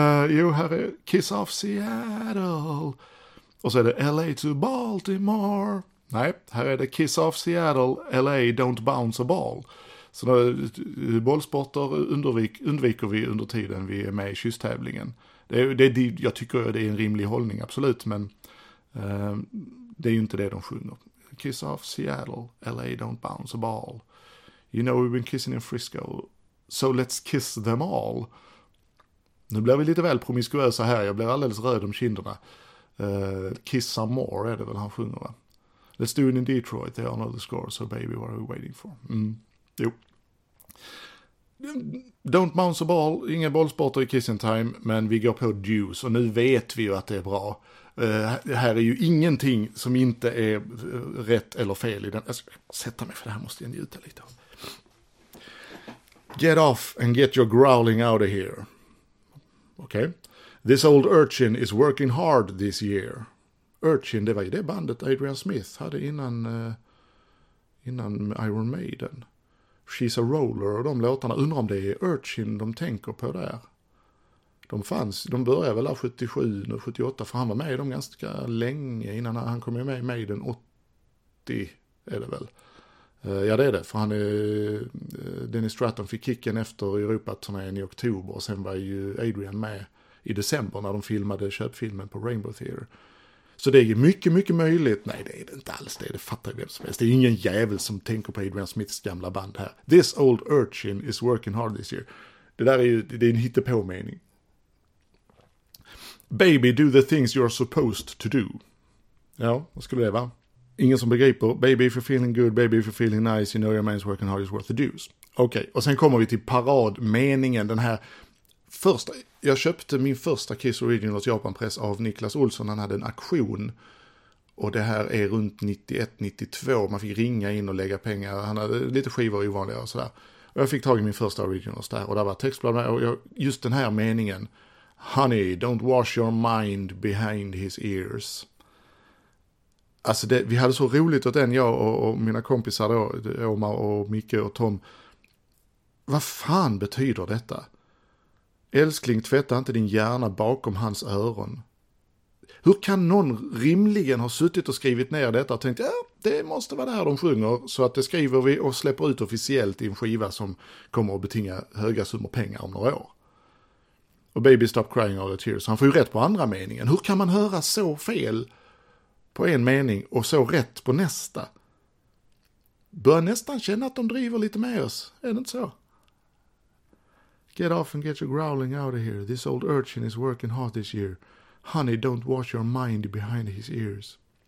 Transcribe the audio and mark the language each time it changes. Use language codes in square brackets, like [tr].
[en] you have a kiss off Seattle. [sv] Och så är det [en] LA to Baltimore. [sv] Nej, här är det [en] kiss off Seattle, LA don't bounce a ball. [sv] Så då, bollsporter undviker vi under tiden vi är med i kysstävlingen. Jag tycker det är en rimlig hållning, absolut, men det är ju inte det de sjunger. [en] Kiss off Seattle, LA don't bounce a ball. You know we've been kissing in Frisco, so let's kiss them all. [sv] Nu blir vi lite väl promiskuösa här, jag blir alldeles röd om kinderna. [en] Kiss some more [sv] är det väl han sjunger, va? [en] Let's do it in Detroit, they all know the score, so baby what are we waiting for? [sv] Jo. [en] Don't bounce a ball, [sv] inga bollsporter i Kissing Time, men vi går på Deuce och nu vet vi ju att det är bra. Här är ju ingenting som inte är rätt eller fel i den. Jag ska sätta mig, för det här måste jag njuta lite av. [en] Get off and get your growling out of here. Okej. Okay. This old urchin is working hard this year. [sv] Urchin, det var ju det bandet Adrian Smith hade innan Iron Maiden. She's a Roller och de låtarna. Undrar om det är Urchin de tänker på där. De fanns, de började väl 77 och 78, för han var med i dem ganska länge innan han kom med i Maiden 80, är det väl. Ja, det är det, för han är, Dennis Stratton fick kicken efter Europa-turnén i oktober, och sen var ju Adrian med i december när de filmade köpfilmen på Rainbow Theater. Så det är mycket, mycket möjligt. Nej, det är det inte alls. Det fattar ju vem som helst. Det är ingen jävel som tänker på Adrian Smiths gamla band här. [en] This old urchin is working hard this year. [sv] Det där är ju, det är en hittepå-mening. [en] Baby, do the things you're supposed to do. [sv] Ja, vad skulle det vara? Ingen som begriper. [en] Baby, if you're feeling good, baby, if you're feeling nice, you know your man's working hard, it's worth the dues. [sv] Okej, och sen kommer vi till paradmeningen, den här första. Jag köpte min första Kiss Originals Japanpress av Niklas Olsson, han hade en auktion. Och det här är runt 91-92, man fick ringa in och lägga pengar, han hade lite skivor ovanliga och sådär. Och jag fick tag i min första Originals där, och där var textblad med, och jag, just den här meningen. [en] Honey, don't wash your mind behind his ears. [sv] Alltså det, vi hade så roligt åt den, jag och mina kompisar då, Omar och Micke och Tom. Vad fan betyder detta? Älskling, tvätta inte din hjärna bakom hans öron. Hur kan någon rimligen ha suttit och skrivit ner detta och tänkt, ja, det måste vara det här de sjunger, så att det skriver vi och släpper ut officiellt i en skiva som kommer att betinga höga summor pengar om några år. Och [en] Baby Stop Crying All The Tears, [sv] han får ju rätt på andra meningen. Hur kan man höra så fel på en mening och så rätt på nästa? Bör nästan känna att de driver lite med oss. Är det inte så? [en] Get off and get your growling out of here. This old urchin is working hard this year. Honey, don't wash your mind behind his ears.